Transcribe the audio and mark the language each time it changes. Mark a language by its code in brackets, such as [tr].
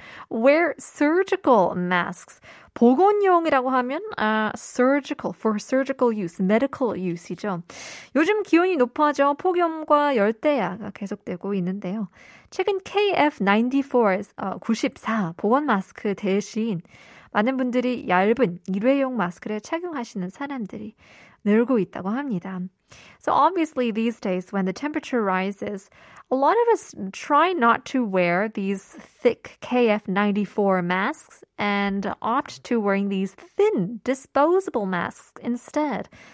[en] Wear surgical masks. [ko] 보건용이라고 하면 [en] surgical for surgical use, medical use이죠. [ko] 요즘 기온이 높아져 폭염과 열대야가 계속되고 있는데요. 최근 KF94 보건 마스크 대신 많은 분들이 얇은 일회용 마스크를 착용하시는 사람들이 늘고 있다고 합니다. [en] So obviously these days when the temperature rises, a lot of us try not to wear these thick KF94 masks and opt to wearing these thin disposable masks instead.